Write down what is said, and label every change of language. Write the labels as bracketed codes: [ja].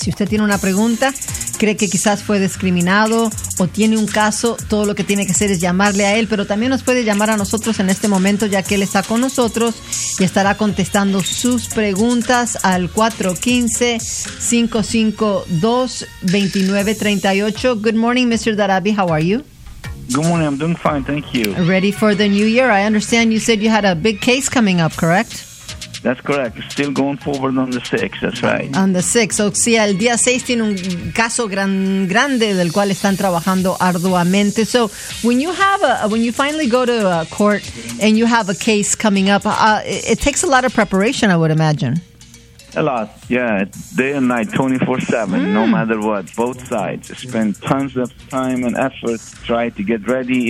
[es] Si usted tiene una pregunta, cree que quizás fue discriminado o tiene un caso, todo lo que tiene que hacer es llamarle a él, pero también nos puede llamar a nosotros en este momento, ya que él está con nosotros y estará contestando sus preguntas al 415-552-2938. [en] Good morning, Mr. Darabi. How are you? Good morning. I'm doing fine. Thank you. Ready for the new year. I understand you said you had a big case coming up, correct? That's correct. Still going forward on the 6th. That's right. On the 6th. [es] O sea, el día 6 tiene un caso grande del cual están trabajando arduamente. [en] So, when you finally go to a court and you have a case coming up, it takes a lot of preparation, I would imagine. A lot, yeah. Day and night, 24/7, no matter what. Both sides spend tons of time and effort to try to get ready.